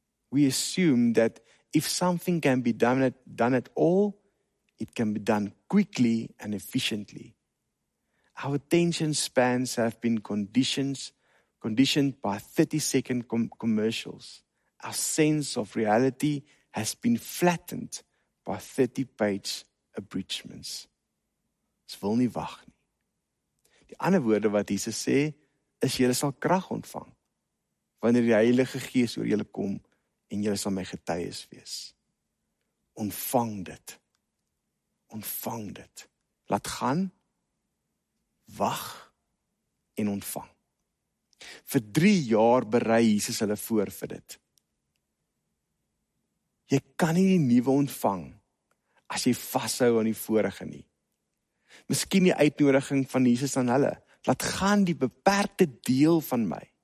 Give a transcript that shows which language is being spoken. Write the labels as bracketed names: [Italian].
[English] We assume that if something can be done at all, it can be done quickly and efficiently. Our attention spans have been conditioned by 30-second commercials. Our sense of reality has been flattened by 30-page abridgments." [Afrikaans] Ons wil nie wag nie. Die ander woorde wat Jesus sê, is jy sal krag ontvang wanneer die Heilige Gees oor jou kom en jy sal my getuies wees. Ontvang dit. Ontvang dit. Laat gaan. Wag en ontvang. Vir 3 jaar berei Jesus hulle voor vir dit. Jy kan nie die nuwe ontvang as jy vashou aan die vorige nie. Miskien die uitnodiging van Jesus aan hulle. Laat gaan die beperkte deel van my.